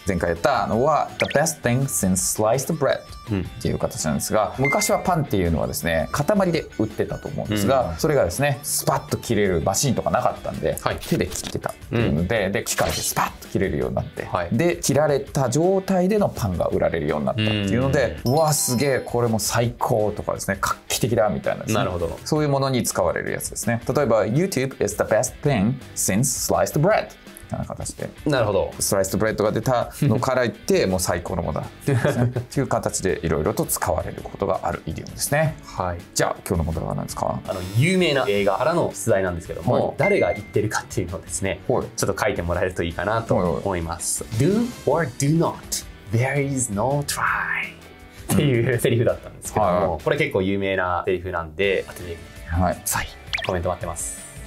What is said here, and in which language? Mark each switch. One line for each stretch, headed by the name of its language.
Japanese: 前回やったのは The best thing since sliced bread っていう形なんですが、うん、昔はパンっていうのはですね塊で売ってたと思うんですが、うん、それがですねスパッと切れるマシンとかなかったんで、はい、手で切ってたっていうので、うん、で機械でスパッと切れるようになって、はい、で切られた状態でのパンが売られるようになったっていうので、うん、うわすげえこれも最高とかですね画期的だみたいな、ね、なるほど、そういうものに使われるやつですね。
English: 例えば YouTube is the best thing since sliced bread な形で、
Japanese: なるほど、スライスブレッドが出たのから言ってもう最高のものだという形でいろいろと使われることがあるイディオムですね、はい、じゃあ今日の問題は何ですか。あの有名な映画からの出題なんですけども、はい、誰が言ってるかっていうのをですね、はい、ちょっと書いてもらえるといいかなと思います、はいはい、 Do or do not There is no try っていうセリフだったんですけども、はいはい、これ結構有名なセリフなんで当ててみてください、はい、コメント待ってます。